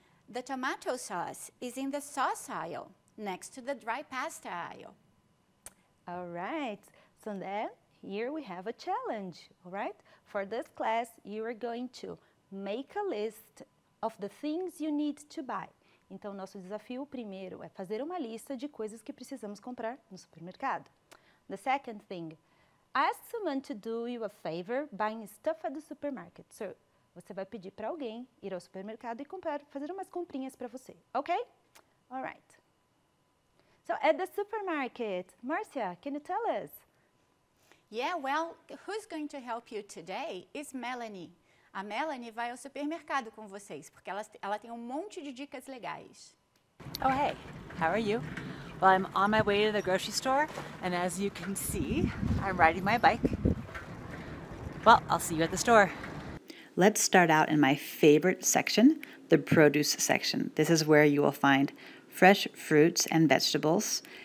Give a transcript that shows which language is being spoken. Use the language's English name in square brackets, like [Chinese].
[English] The tomato sauce is in the sauce aisle next to the dry pasta aisle. All right. So then here we have a challenge, all right? For this class, you are going to make a list of the things you need to buy. [Portuguese] Então, nosso desafio primeiro é fazer uma lista de coisas que precisamos comprar no supermercado. [English] The second thing, ask someone to do you a favor buying stuff at the supermarket. [Portuguese] So, você vai pedir para alguém ir ao supermercado e comprar, fazer umas comprinhas para você, ok? [English] All right. So, at the supermarket, Marcia, can you tell us? Yeah, well, who's going to help you today is Melanie. [Portuguese] A Melanie vai ao supermercado com vocês, porque ela tem um monte de dicas legais. [English] Oh, hey, how are you? Well, I'm on my way to the grocery store, and as you can see, I'm riding my bike. Well, I'll see you at the store. Let's start out in my favorite section, the produce section. This is where you will find fresh fruits and vegetables.